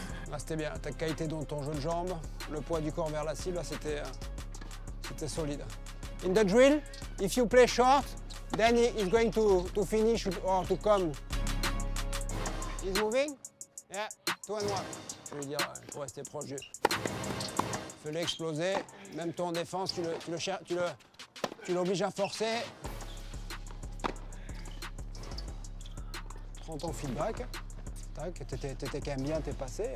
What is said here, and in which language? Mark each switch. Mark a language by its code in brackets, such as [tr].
[fr] Là, c'était bien. Ta qualité dans ton jeu de jambes, le poids du corps vers la cible, là, c'était [en] it's a solid. In the drill, if you play short, then he's going to finish or to come. He's moving? [fr] Yeah, 2-1. Je veux dire, il faut rester proche du. Fais l'exploser, même ton défense, tu l'obliges à forcer. Prends ton feedback. Tac, t'étais quand même bien, t'es passé.